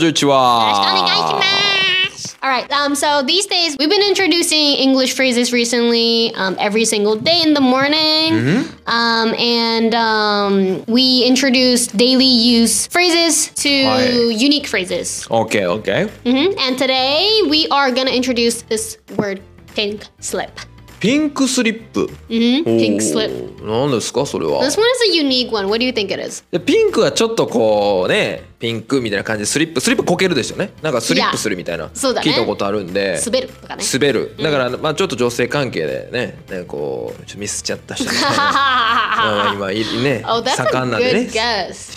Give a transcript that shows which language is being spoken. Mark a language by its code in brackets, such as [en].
[ja] よろしくお願いします。 [en] All right, so these days we've been introducing English phrases recently, every single day in the morning. Mm-hmm. We introduced daily use phrases to unique phrases. Okay, okay. Mm-hmm. And today we are going to introduce this word, pink slip. Pink slip. Mm-hmm. Pink slip. [ja] 何ですかそれは。 [en] This one is a unique one. What do you think it is? [ja] ピンクはちょっとこうね、ピンクみたいな感じでスリップ。スリップこけるですよね。なんかスリップするみたいな。そうだね。聞いたことあるんで。滑るとかね。滑る。だから、まあちょっと女性関係でね、ね、こう、ちょミスちゃった人ですね。まあ今、ね、 [en] oh, that's [ja] 盛んなんでね。 [en] Good guess.